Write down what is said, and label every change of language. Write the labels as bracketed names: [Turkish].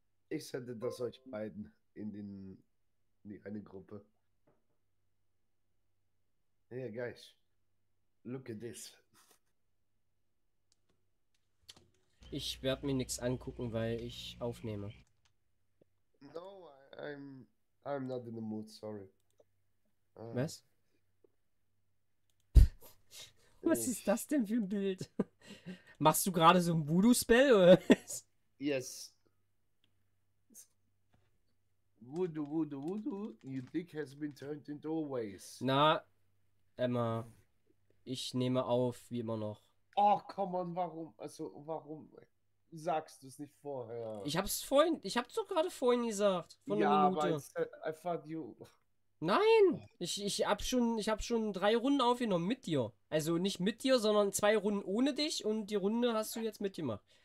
[German] Ich sende das euch beiden in die eine Gruppe. [English] Hey guys, look at this. [German] Ich werde mir nichts angucken, weil ich aufnehme. [English] No, I'm not in the mood, sorry. [German] Was? Was ist das denn für ein Bild? Machst du gerade so ein Voodoo-Spell oder was? [English] Yes. Voodoo, voodoo, voodoo, your dick has been turned into a waste. [German] Na. Emma, ich nehme auf, wie immer noch. Oh, [English] komm on, [German] warum? Also, warum sagst du es nicht vorher? Ich hab's doch gerade vorhin gesagt. Von einer Minute. [English] I thought you. [German] Nein! Ich hab schon drei Runden aufgenommen mit dir. Also nicht mit dir, sondern zwei Runden ohne dich und die Runde hast du jetzt mitgemacht.